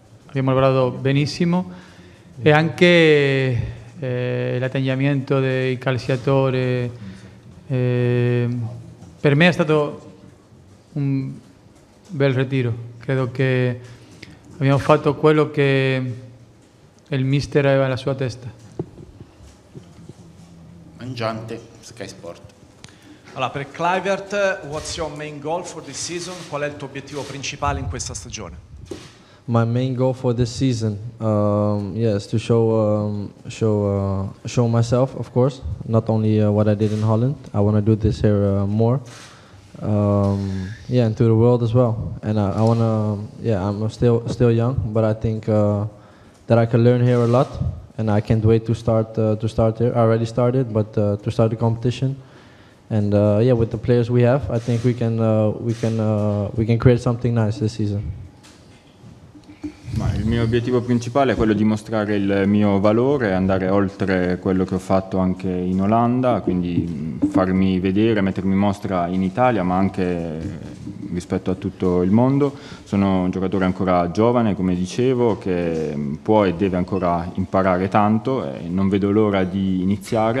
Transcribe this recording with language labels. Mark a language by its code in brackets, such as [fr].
[it] Abbiamo lavorato benissimo e anche l'atteggiamento dei calciatori per me è stato un bel ritiro. Credo che abbiamo fatto quello che il mister aveva nella sua testa. Mangiante, Sky Sport. Allora, per [en] Kluivert, what's your main goal for this season? [it] Qual è il tuo obiettivo principale in questa stagione? [en] My main goal for this season, yes, to show myself, of course, not only what I did in Holland. I want to do this here more, and to the world as well. And I want to, I'm still young, but I think that I can learn here a lot, and I can't wait to start here. I already started, but to start the competition. And with the players we have, I think we can create something nice this season. [it] Ma il mio obiettivo principale è quello di mostrare il mio valore, andare oltre quello che ho fatto anche in Olanda, quindi farmi vedere, mettermi in mostra in Italia, ma anche rispetto a tutto il mondo. Sono un giocatore ancora giovane, come dicevo, che può e deve ancora imparare tanto e non vedo l'ora di iniziare.